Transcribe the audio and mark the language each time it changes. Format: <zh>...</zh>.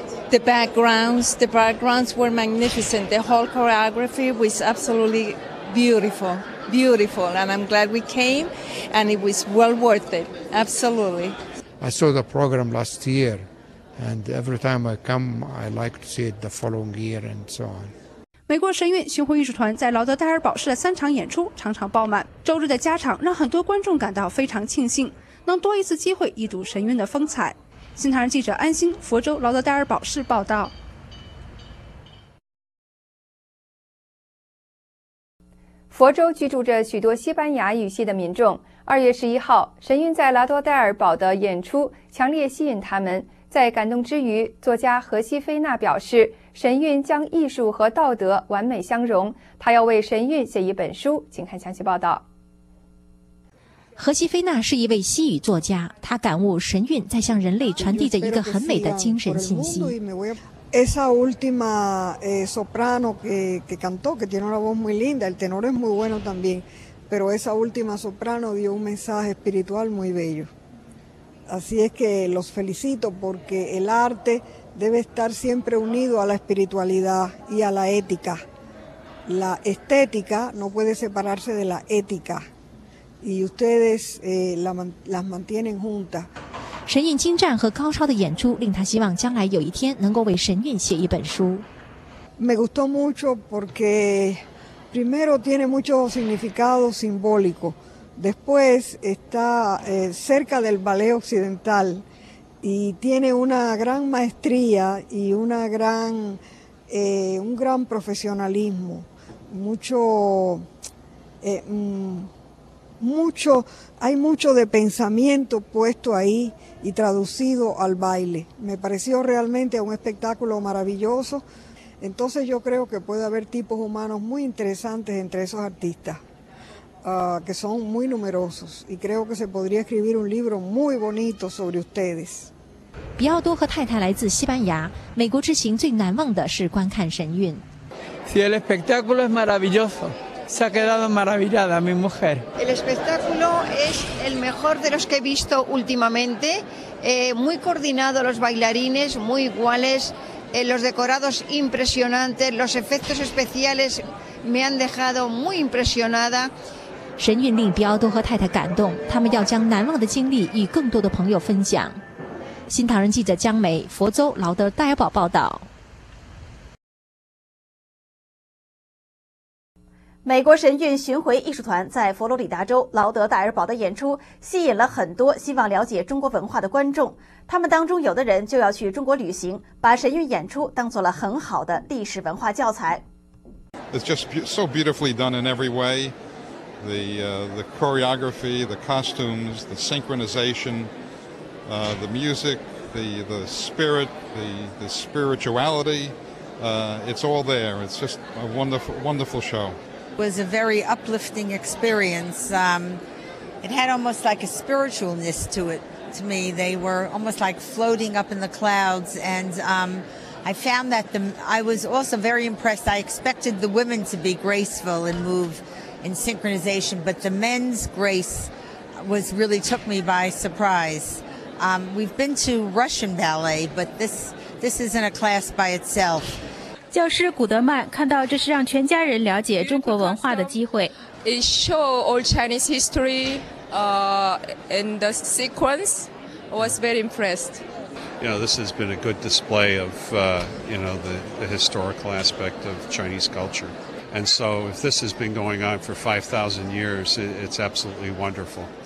<en>The backgrounds were magnificent. The whole choreography was absolutely beautiful. Beautiful, and I'm glad we came, and it was well worth it, absolutely. I saw the program last year, and every time I come, I like to see it the following year and so on.</en> <zh>美国神韵巡回艺术团在劳德戴尔堡市的三场演出常常爆满，周日的加场让很多观众感到非常庆幸，能多一次机会一睹神韵的风采。新唐人记者安心，佛州劳德戴尔堡市报道。佛州居住着许多西班牙语系的民众。2月11号，神韵在劳德戴尔堡的演出强烈吸引他们。在感动之余，作家何西菲娜表示，神韵将艺术和道德完美相融，他要为神韵写一本书。请看详细报道。何西菲娜是一位西语作家，她感悟神韵在向人类传递着一个很美的精神信息。</zh> <es>Esa última soprano que cantó, que tiene una voz muy linda, el tenor es muy bueno también, pero esa última soprano dio un mensaje espiritual muy bello. Así es que los felicito porque el arte debe estar siempre unido a la espiritualidad y a la ética. La estética no puede separarse de la ética y ustedes las mantienen juntas.</es> <zh>神韵精湛和高超的演出令他希望将来有一天能够为神韵写一本书。</zh> <es>Me gustó mucho porque primero tiene mucho significado simbólico. Después está cerca del ballet occidental y tiene una gran maestría y una gran, un gran profesionalismo. Mucho, mucho, hay mucho de pensamiento puesto ahí. y traducido al baile. Me pareció realmente un espectáculo maravilloso. Entonces yo creo que puede haber tipos humanos muy interesantes entre esos artistas, que son muy numerosos. Y creo que se podría escribir un libro muy bonito sobre ustedes.</es> <zh>比奥多和太太来自西班牙，美国之行最难忘的是观看神韵。</zh> <es>Si el espectáculo es maravilloso. Se ha quedado maravillada mi mujer. El espectáculo es el mejor de los que he visto últimamente. Muy coordinado los bailarines, muy iguales. Los decorados impresionantes. Los efectos especiales me han dejado muy impresionada.</es> <zh>神韵令比奥多和太太感动，他们要将难忘的经历与更多的朋友分享。新唐人记者江梅，佛州劳德戴尔堡报道。美国神韵巡回艺术团在佛罗里达州劳德戴尔堡的演出吸引了很多希望了解中国文化的观众，他们当中有的人就要去中国旅行，把神韵演出当作了很好的历史文化教材。</zh> <en>It's just so beautifully done in every way. The choreography, the costumes, the synchronization, the music, the spirit, the spirituality, it's all there. It's just a wonderful show Was a very uplifting experience. It had almost like a spiritualness to it to me. They were almost like floating up in the clouds, and I found that I was also very impressed. I expected the women to be graceful and move in synchronization, but the men's grace was really took me by surprise. We've been to Russian ballet, but this isn't a class by itself.</en> <zh>教师古德曼看到这是让全家人了解中国文化的机会。</zh> <en>It show all Chinese history, and the sequence was very impressed. You know, this has been a good display of, you know, the historical aspect of Chinese culture. And so, if this has been going on for 5,000 years, it's absolutely wonderful.</en>